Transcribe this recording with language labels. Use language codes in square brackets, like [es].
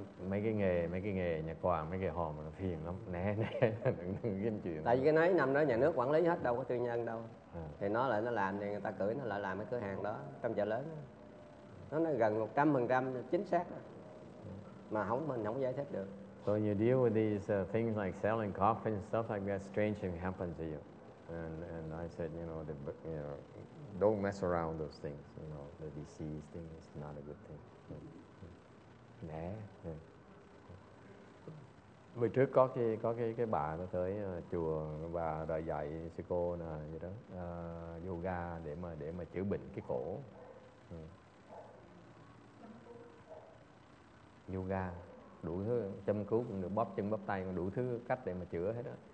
[vi] Mấy cái nghề nhà quàng, mấy cái hòm nó phiền lắm. Nè, đừng cái chuyện. Tại vì cái nấy năm đó nhà nước quản lý hết, đâu có tư nhân đâu. Thì nó lại nó làm, thì người ta cử nó lại làm cái cửa hàng đó, trong chợ lớn. Nó nói gần 100% chính xác đó. Mà không, mình không giải thích được. [en] So you deal with these things like selling coffee and stuff like that, strange thing happens to you. And I said, you know, don't mess around those things. You know, the disease thing is not a good thing. [vi] Nè. Vì trước có cái bà nó tới chùa, bà đã dạy sư cô nè gì đó yoga để mà chữa bệnh cái cổ. Yoga. Đủ thứ châm cứu cũng được, bóp chân bóp tay cũng đủ thứ cách để mà chữa hết đó.